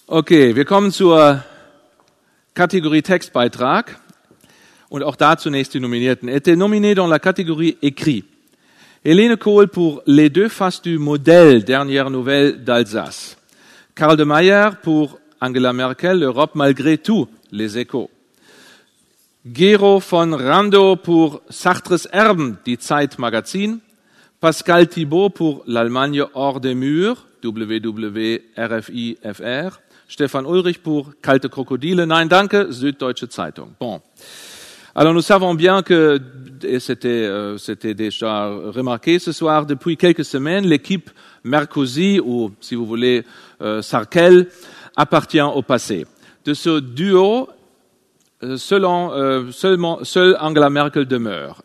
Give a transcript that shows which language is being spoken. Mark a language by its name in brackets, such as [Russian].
[German] Okay, wir kommen zur Kategorie Textbeitrag und auch da zunächst die Nominierten. [French] Était nominé dans la catégorie écrit. Hélène Kohl pour Les deux faces du modèle, dernière nouvelle d'Alsace. Karl de Meyer pour Angela Merkel, l'Europe malgré tout, les échos. Gero von Randow pour Sartres Erben, die Zeit Magazin. Pascal Thibault pour L'Allemagne hors des murs, WWRFIFR. Stefan Ulrich pour Kalte Krokodile, nein danke, Süddeutsche Zeitung. Bon. Alors nous savons bien que, et c'était déjà remarqué ce soir, depuis quelques semaines, l'équipe Merkozy, ou si vous voulez Sarkel, appartient au passé. De ce duo, seule Angela Merkel demeure.